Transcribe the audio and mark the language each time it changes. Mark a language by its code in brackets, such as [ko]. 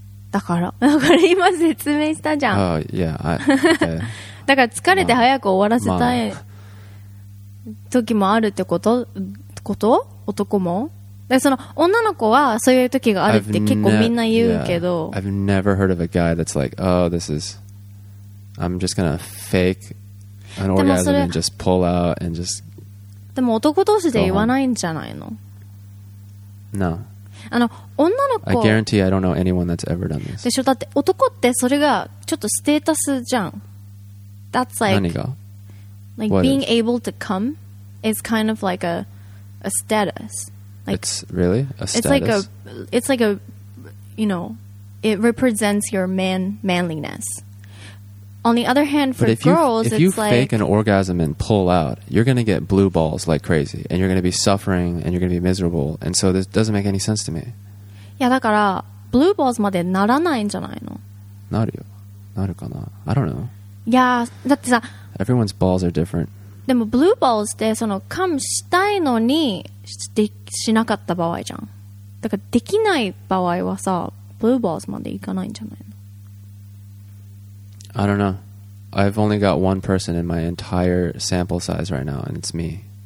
[ja] だから。これ今説明したじゃん。 [en] Oh, yeah. [ja] だから疲れて早く終わらせたい時もあるってこと?こと?男も? その女の子はそういう時があるって結構みんな言うけど、 [en] I've never heard of a guy that's like, oh, this is, I'm just gonna fake an orgasm and just pull out and just. [ja] でも男同士で言わないんじゃないの [en] ？No. [ja] あの女の子。 [en] I guarantee I don't know anyone that's ever done this. でしょ、だって男ってそれがちょっとステータスじゃん。 That's like. [ja] 何が [en] ？Like being able to come is kind of like a status. Like, it's really a status. It's like a, you know, it represents your manliness. On the other hand, for girls, if you fake an orgasm and pull out, you're going to get blue balls like crazy, and you're going to be suffering, and you're going to be miserable. And so this doesn't make any sense to me. [ja] Yeah, だから blue balls までならないんじゃないの？なるよ。なるかな？ [en] I don't know. [ja] Yeah, だってさ、 [en] everyone's balls are different. [ja] でもブルーボールってそのカムしたいのに しなかった場合じゃん。だからできない場合はさ、ブルーボールまでいかないんじゃないの。 [en] I don't know. I've only got one person in my entire sample size right now, and it's me.